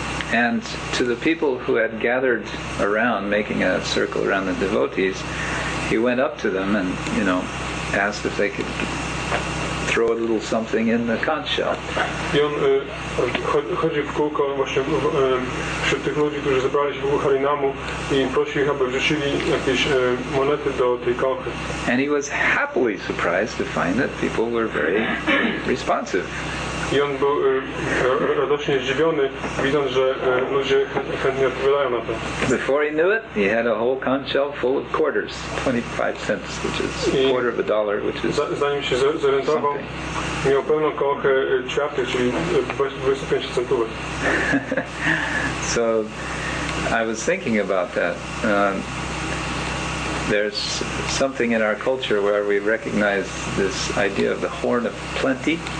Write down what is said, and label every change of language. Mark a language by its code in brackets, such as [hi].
[en] And to the people who had gathered around, making a circle around the devotees, he went up to them and, you know, asked if they could throw a little something in the conch shell. [pl] I on chodzi w kółko właśnie wśród tych ludzi, którzy zebrali się wokół Harinamu i prosił ich, aby wrzucili jakieś monety do tej konchy. [en] And he was happily surprised to find that people were very responsive. [pl] I on był radośnie zdziwiony, widząc, że ludzie chętnie odpowiadają na to. [en] Before he knew it, he had a whole conch shell full of quarters, 25 cents, which is a quarter of a dollar, which is [pl] zanim się zorientował, miał pełną kochę ćwiartek, czyli 25 centów. [en] So, I was thinking about that. There's something in our culture where we recognize this idea of the horn of plenty.